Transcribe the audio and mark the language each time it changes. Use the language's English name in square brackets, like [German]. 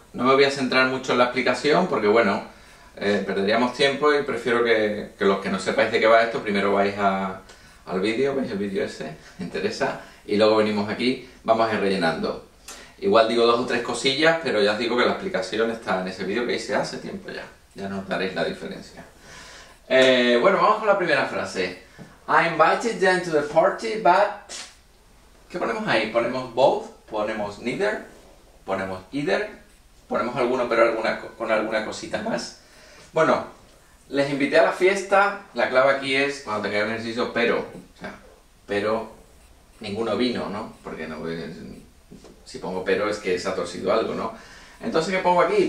[Spanish] No me voy a centrar mucho en la explicación porque, bueno, perderíamos tiempo y prefiero que los que no sepáis de qué va esto, primero vais al vídeo, veis el vídeo ese, me interesa, y luego venimos aquí, vamos a ir rellenando. Igual digo dos o tres cosillas, pero ya os digo que la explicación está en ese vídeo que hice hace tiempo ya. Ya notaréis la diferencia. Bueno, vamos con la primera frase. [English] I invited them to the party, but... [Spanish] ¿Qué ponemos ahí? ¿Ponemos both? ¿Ponemos neither? ¿Ponemos either? ¿Ponemos alguno pero alguna, con alguna cosita más? Bueno, les invité a la fiesta. La clave aquí es, cuando tengáis un ejercicio, pero... O sea, pero ninguno vino, ¿no? Porque no, si pongo pero es que se ha torcido algo, ¿no? Entonces, ¿qué pongo aquí?